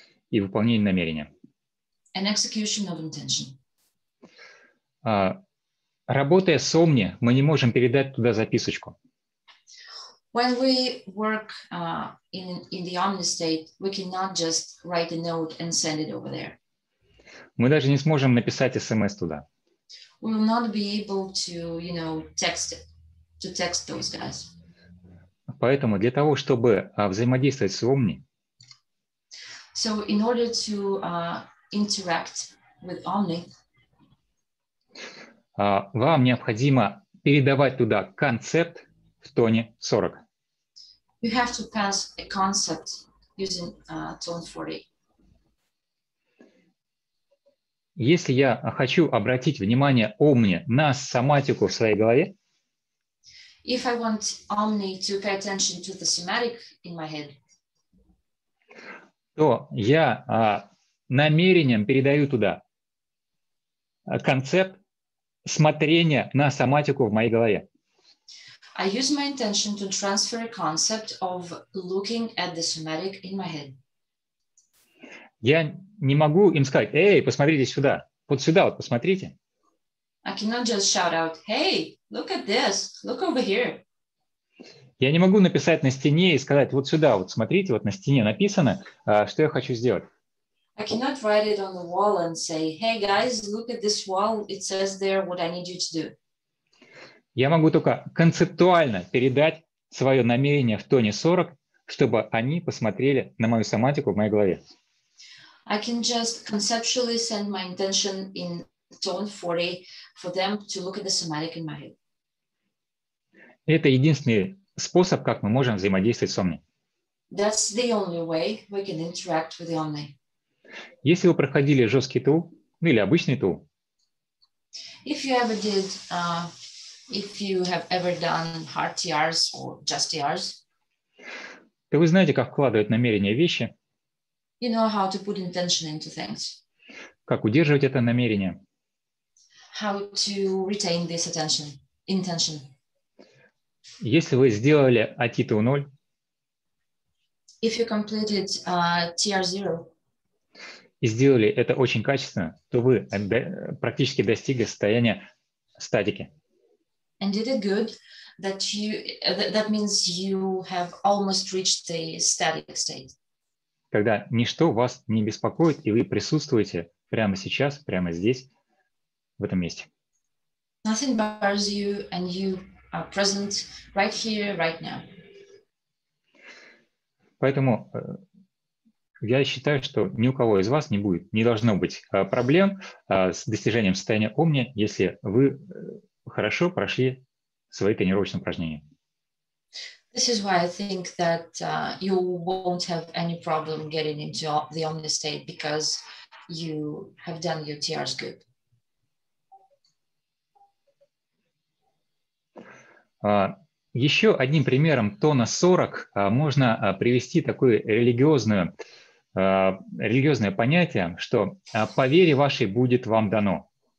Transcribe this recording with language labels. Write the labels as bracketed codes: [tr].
[ru] И выполнение намерения. [en] An execution of intention. [ru] Работая с Omni, мы не можем передать туда записочку. [en] When we work in the Omni state, we cannot just write a note and send it over there. [ru] Мы даже не сможем написать SMS туда. [en] We will not be able to, you know, text those guys. [ru] Поэтому для того, чтобы взаимодействовать с Omni, [en] so in order to interact with Omni, [ru] вам необходимо передавать туда концепт в тоне 40. [en] You have to pass a concept using tone 40. [ru] Если я хочу обратить внимание Omni на соматику в своей голове, [en] if I want Omni to pay attention to the somatic in my head, [ru] то я намерением передаю туда концепт смотрения на соматику в моей голове. [en] I use my intention to transfer a concept of looking at the somatic in my head. [ru] Я не могу им сказать: «Эй, посмотрите сюда, вот сюда, вот посмотрите». [en] I cannot just shout out: «Hey, look at this, look over here». [ru] Я не могу написать на стене и сказать: «Вот сюда, вот смотрите, вот на стене написано, что я хочу сделать». [en] I cannot write it on the wall and say, hey guys, look at this wall, it says there what I need you to do. [ru] Я могу только концептуально передать свое намерение в тоне 40, чтобы они посмотрели на мою соматику в моей голове. [en] I can just conceptually send my intention in tone 40 for them to look at the somatic in my head. [ru] Это единственный способ, как мы можем взаимодействовать с Omni. [en] That's the only way we can interact with the Omni. [ru] Если вы проходили жесткий тул, ну или обычный тул, [en] if you ever did, if you have ever done hard TRs or just TRs, [ru] то вы знаете, как вкладывать намерение в вещи, [en] you know how to put intention into things, [ru] как удерживать это намерение, [en] how to retain this attention, intention. [ru] Если вы сделали ATTU 0, [en] if you completed TR 0, [ru] и сделали это очень качественно, то вы практически достигли состояния статики. [en] And did it good that you, that means you have almost reached the static state. [ru] Когда ничто вас не беспокоит, и вы присутствуете прямо сейчас, прямо здесь, в этом месте. [en] Nothing bothers you, and you are present right here, right now. [ru] Поэтому я считаю, что ни у кого из вас не будет, не должно быть проблем с достижением состояния Omni, если вы хорошо прошли свои тренировочные упражнения. [en] This is why I think that you won't have any problem getting into the Omni state, because you have done your TRs good. [ru] Еще одним примером тона 40 можно привести такую религиозную религиозное понятие, что по вере вашей будет вам дано.